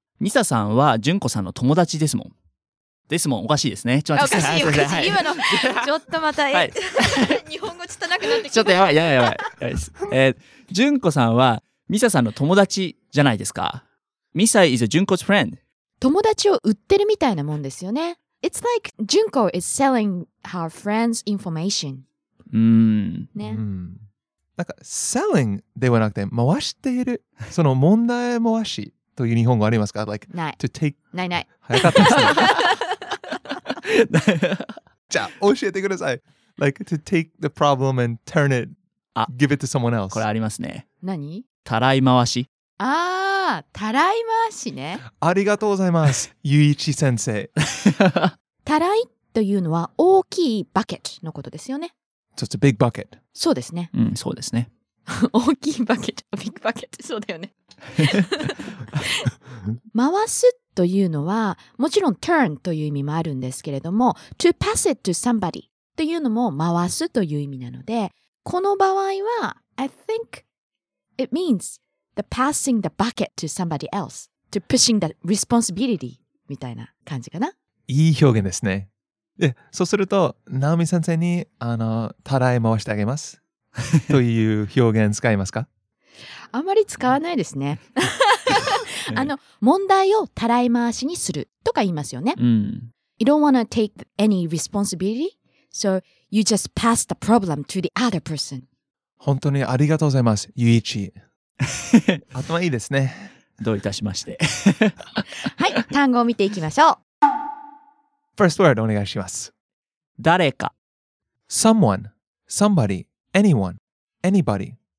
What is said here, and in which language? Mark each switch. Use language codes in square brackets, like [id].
[ja] ミサさんはじゅんこさんの友達ですもん。ですもん、おかしいですね。ちょっと待って、おかしい、おかしい。はい、今の、ちょっとまた、はい、日本語ちょっとなくなってきた。ちょっとやばい、やばい、やばい。やばいです。じゅんこさんはミサさんの友達じゃないですか。 [en] ミサ is a Junko's friend. [ja] 友達を売ってるみたいなもんですよね。 [en] It's like Junko is selling her friend's information. [ja] ね。なんか selling ではなくて回している。その問題回しという日本語ありますか？ [en] Like [ja] ない。 [en] To take... [ja] ないない。早かったですね。じゃあ教えてください。 [en] Like to take the problem and turn it, give it to someone else. [ja] これありますね。何？たらい回し。あー。たらい回しね。ありがとうございます、ゆういち先生。たらいというのは大きいバケットのことですよね。 [en] So it's a big bucket. [ja] そうですね。うん、そうですね。大きいバケット、ビッグバケット、そうだよね。回すというのは、もちろん turn という意味もあるんですけれども、 [en] to pass it to somebody [ja] というのも回すという意味なので、この場合は、 [en] I think it means... The passing the bucket to somebody else. To pushing the responsibility. [ja] みたいな感じかな。いい表現ですね。で、そうすると、ナオミ先生に、たらい回してあげます。という表現使いますか？あまり使わないですね。問題をたらい回しにするとか言いますよね。うん、 [en] you don't want to take any responsibility, so you just pass the problem to the other person. [ja] 本当にありがとうございます、ゆういち。頭いいですね。どういたしまして。はい、単語を見ていきましょう。 [en] First word [ja] お願いします。誰か。 [en] Someone, somebody, anyone, anybody。